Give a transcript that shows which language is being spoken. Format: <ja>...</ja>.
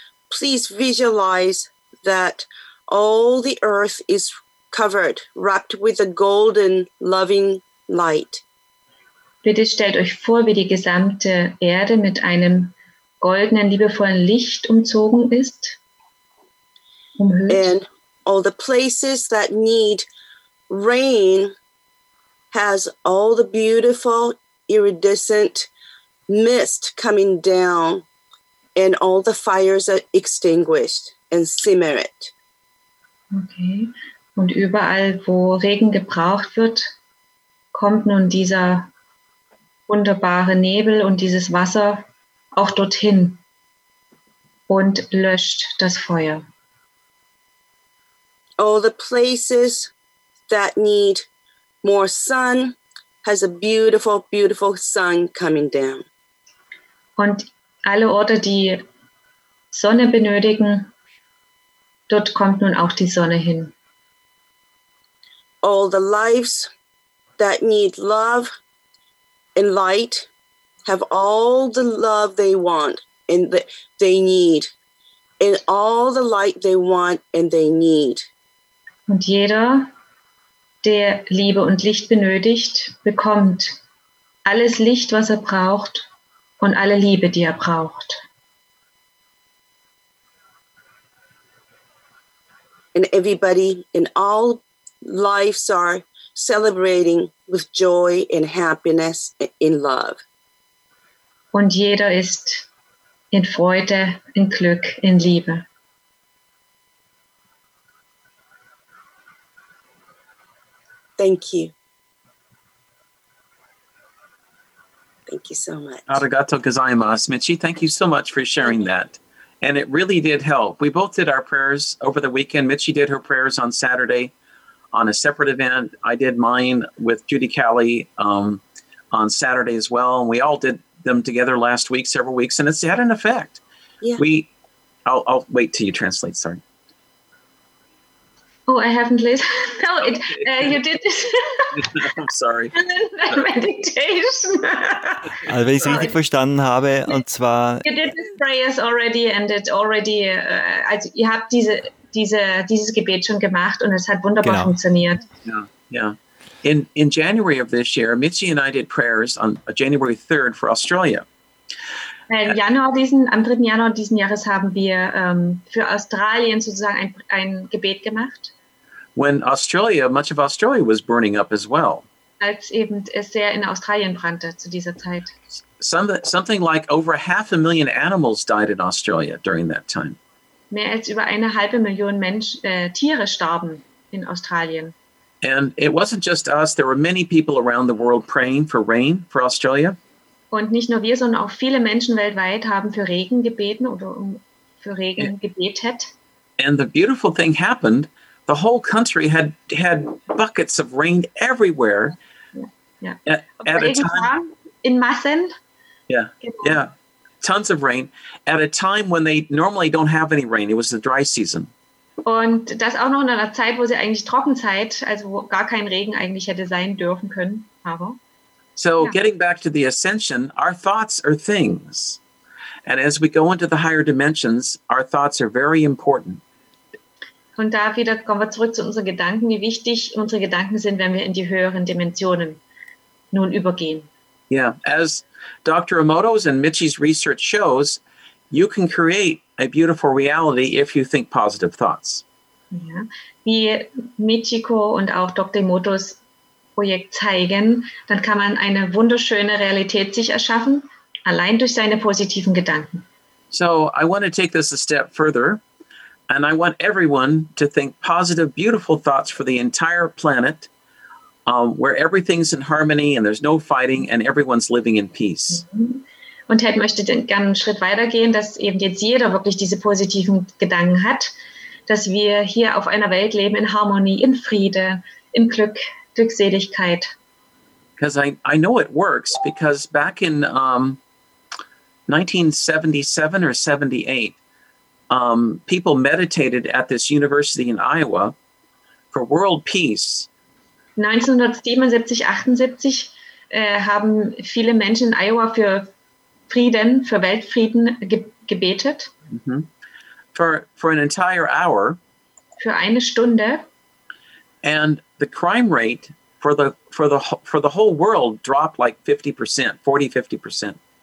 <en>Please visualize that all the earth is covered, wrapped with a golden, loving light.</en> <de>Bitte stellt euch vor, wie die gesamte Erde mit einem goldenen, liebevollen Licht umzogen ist. Umhüllt.</de> <en>And all the places that need rain has all the beautiful iridescent mist coming down, and all the fires are extinguished and simmer it. Okay.</en> <de>Und überall, wo Regen gebraucht wird, kommt nun dieser wunderbare Nebel und dieses Wasser auch dorthin und löscht das Feuer.</de> <en>All the places that need more sun has a beautiful, beautiful sun coming down.</en> <de>Und alle Orte, die Sonne benötigen, dort kommt nun auch die Sonne hin.</de> <en>All the lives that need love and light have all the love they want and they need, and all the light they want and they need.</en> <de>Und jeder, der Liebe und Licht benötigt, bekommt alles Licht, was er braucht, und alle Liebe, die er braucht.</de> <en>And everybody in all lives are celebrating with joy and happiness in love.</en> <de>Und jeder ist in Freude, in Glück, in Liebe.</de> <en>Thank you. Thank you so much.</en> <ja>Arigato gozaimasu,</ja> <en>Michi. Thank you so much for sharing that. And it really did help. We both did our prayers over the weekend. Michi did her prayers on Saturday on a separate event. I did mine with Judy Kelly on Saturday as well. And we all did them together last week, several weeks, and it's had an effect. Yeah. I'll wait till you translate, sorry. Oh, I haven't listened. No, okay. You did this. I'm sorry. Meditation.</en> <de>Also, wenn ich es richtig verstanden habe, und zwar...</de> <en>You did this prayers already, and it already...</en> <de>also, ihr habt dieses Gebet schon gemacht, und es hat wunderbar funktioniert.</de> <en>Yeah. In January of this year, Michi and I did prayers on January 3rd for Australia.</en> <de>Am 3. Januar diesen Jahres haben wir für Australien sozusagen ein Gebet gemacht.</de> <en>When Australia, much of Australia was burning up as well.</en> <de>Als eben es sehr in Australien brannte zu dieser Zeit.</de> <en>Something like over 500,000 animals died in Australia during that time.</en> <de>Mehr als über 500,000 Tiere starben in Australien.</de> <en>And it wasn't just us, there were many people around the world praying for rain for Australia.</en> <de>Und nicht nur wir, sondern auch viele Menschen weltweit haben für Regen gebeten oder um für Regen gebetet.</de> <en>And the beautiful thing happened. The whole country had buckets of rain everywhere. Yeah. At a time.</en> <de>In Massen.</de> <en>Yeah. Yeah. Tons of rain at a time when they normally don't have any rain. It was the dry season.</en> <de>Und das auch noch in einer Zeit, wo sie eigentlich Trockenzeit, also wo gar kein Regen eigentlich hätte sein dürfen können, aber. So ja.</de> <en>Getting back to the ascension, our thoughts are things. And as we go into the higher dimensions, our thoughts are very important.</en> <de>Und da wieder kommen wir zurück zu unseren Gedanken, wie wichtig unsere Gedanken sind, wenn wir in die höheren Dimensionen nun übergehen.</de> <en>Yeah, as Dr. Emoto's and Michi's research shows, you can create a beautiful reality if you think positive thoughts.</en> <de>Ja, wie Michiko und auch Dr. Emoto's Projekt zeigen, dann kann man eine wunderschöne Realität sich erschaffen, allein durch seine positiven Gedanken.</de> <en>So, I want to take this a step further, and I want everyone to think positive, beautiful thoughts for the entire planet, where everything's in harmony and there's no fighting and everyone's living in peace.</en> <de>Und Ted möchte gerne einen Schritt weitergehen, dass eben jetzt jeder wirklich diese positiven Gedanken hat, dass wir hier auf einer Welt leben in Harmonie, in Friede, im Glück, Glückseligkeit.</de> <en>Because I know it works, because back in 1977 or 78, people meditated at this university in Iowa for world peace.</en> <de>1977, 78 haben viele Menschen in Iowa für Frieden, für Weltfrieden gebetet.</de> <en>Mm-hmm. For an entire hour.</en> <de>Für eine Stunde.</de> <en>And the crime rate for the whole world dropped like 50%, 40-50%.</en>